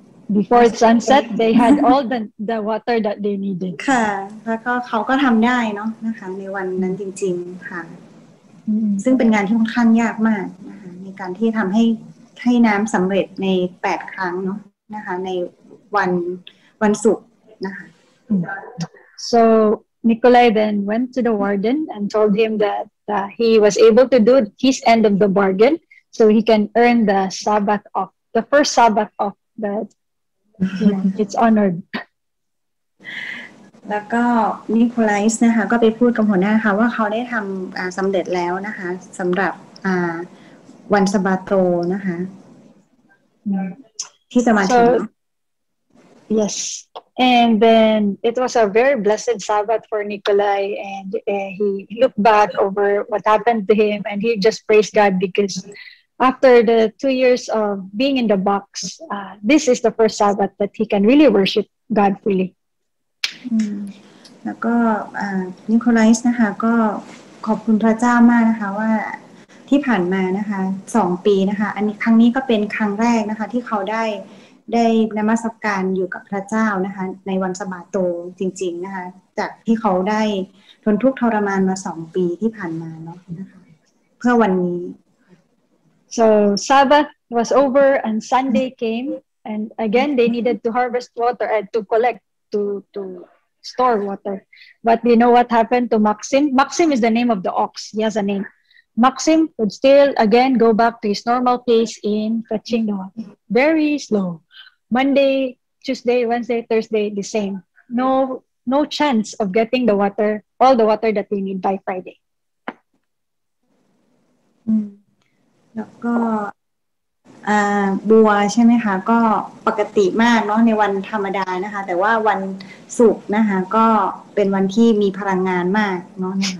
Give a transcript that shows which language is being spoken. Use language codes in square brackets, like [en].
[en] Before sunset, they had all the water that they needed. [th] ค่ะแล้วก็เขาก็ทำได้เนาะนะคะในวันนั้นจริงๆค่ะซึ่งเป็นงานที่ค่อนข้างยากมากนะคะในการที่ทำให้น้ำสำเร็จใน8ครั้งเนาะนะคะในวันศุกร์นะคะ [en] So Nikolai then went to the warden and told him that he was able to do his end of the bargain, so he can earn the Sabbath off, the first Sabbath off that it's honored. [th] แล้วก็ Nikolaus นะคะก็ไปพูดกับหัวหน้าค่ะว่าเขาได้ทำสำเร็จแล้วนะคะสำหรับวันซาบาโตนะคะที่จะมาถึง [en] Yes, and then it was a very blessed Sabbath for Nikolai, and he looked back over what happened to him, and he just praised God because after the 2 years of being in the box, this is the first Sabbath that he can really worship God fully. [th] And Nikolai, นะคะ ก็ ขอบคุณพระเจ้ามากนะคะ ว่าที่ผ่านมานะคะ 2 ปีนะคะ อันนี้ครั้งนี้ก็เป็นครั้งแรกนะคะที่เขาได้นมัสการอยู่กับพระเจ้านะคะในวันสบาโตจริงๆนะคะจากที่เขาได้ทนทุกข์ทรมานมา2ปีที่ผ่านมาเนาะนะคะเพื่อวันนี้ [en] So Sabbath was over and Sunday came and again they needed to harvest water and to collect to store water but you know what happened to Maxim? Maxim is the name of the ox. He has a name. Maxim would still again go back to his normal pace in fetching the water very slowMonday, Tuesday, Wednesday, Thursday, the same. No chance of getting the water, all the water that they need by Friday. [th] แล้วก็บัวใช่ไหมคะก็ปกติมากเนาะในวันธรรมดานะคะแต่ว่าวันศุกร์นะคะก็เป็นวันที่มีพลังงานมากเนาะ